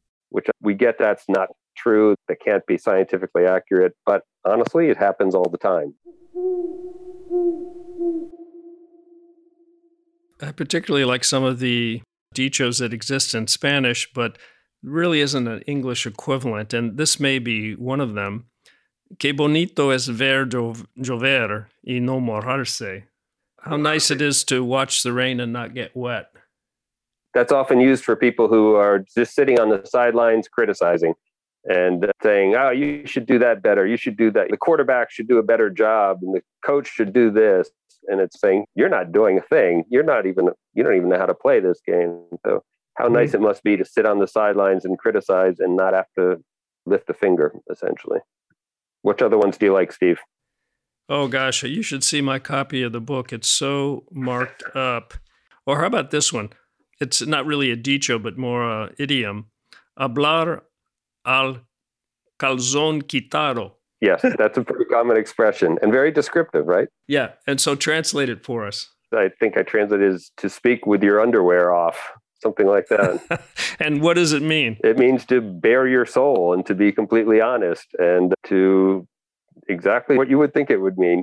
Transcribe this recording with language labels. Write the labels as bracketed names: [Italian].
[English] Which we get that's not true, that can't be scientifically accurate, but honestly, it happens all the time. I particularly like some of the dichos that exist in Spanish, but really isn't an English equivalent, and this may be one of them. [Spanish] Qué bonito es ver llover y no mojarse. [English] How nice it is to watch the rain and not get wet. That's often used for people who are just sitting on the sidelines criticizing and saying, oh, you should do that better. You should do that. The quarterback should do a better job and the coach should do this. And it's saying, you're not doing a thing. You don't even know how to play this game. So how nice it must be to sit on the sidelines and criticize and not have to lift a finger, essentially. Which other ones do you like, Steve? Oh, gosh, you should see my copy of the book. It's so marked up. Or how about this one? It's not really a dicho, but more an idiom. [Spanish] Hablar al calzón quitado. [English] Yes, that's a pretty common expression and very descriptive, right? Yeah, and so translate it for us. I think I translate it as to speak with your underwear off, something like that. And what does it mean? It means to bare your soul and to be completely honest and to exactly what you would think it would mean.